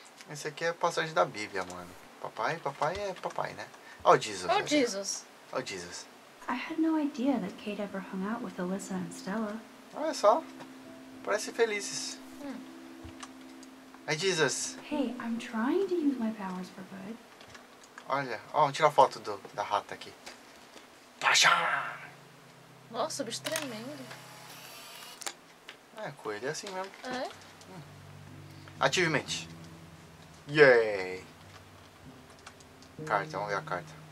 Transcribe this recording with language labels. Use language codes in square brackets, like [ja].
[pt] Esse aqui é a passagem da Bíblia, mano. Papai é papai, né? Olha o Jesus. Olha o Jesus. Olha o Jesus. [en] I had no idea that Kate ever hung out with Alyssa and Stella. [pt] Olha só. Parece felizes. [en] Hey, Jesus. Hey, I'm trying to use my powers for good. [pt] Olha, vamos tirar foto da rata aqui. Paixão! Nossa, o bicho tremendo. É, coelho é assim mesmo. É? Ativamente. Yay! Carta, vamos ver a carta.